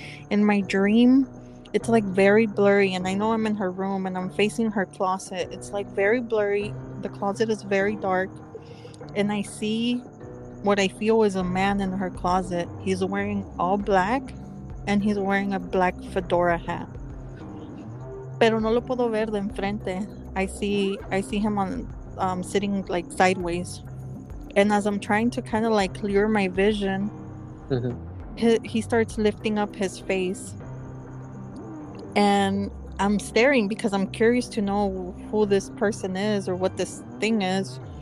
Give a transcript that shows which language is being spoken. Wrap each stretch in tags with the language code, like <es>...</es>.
<en>In my dream, it's like very blurry, and I know I'm in her room and I'm facing her closet. It's like very blurry. The closet is very dark. And I see what I feel is a man in her closet. He's wearing all black, and he's wearing a black fedora hat.</en> <es>Pero no lo puedo ver de enfrente.</es> <en>I see him on sitting like sideways. And as I'm trying to kind of like clear my vision, he starts lifting up his face. And I'm staring because I'm curious to know who this person is or what this thing is.</en>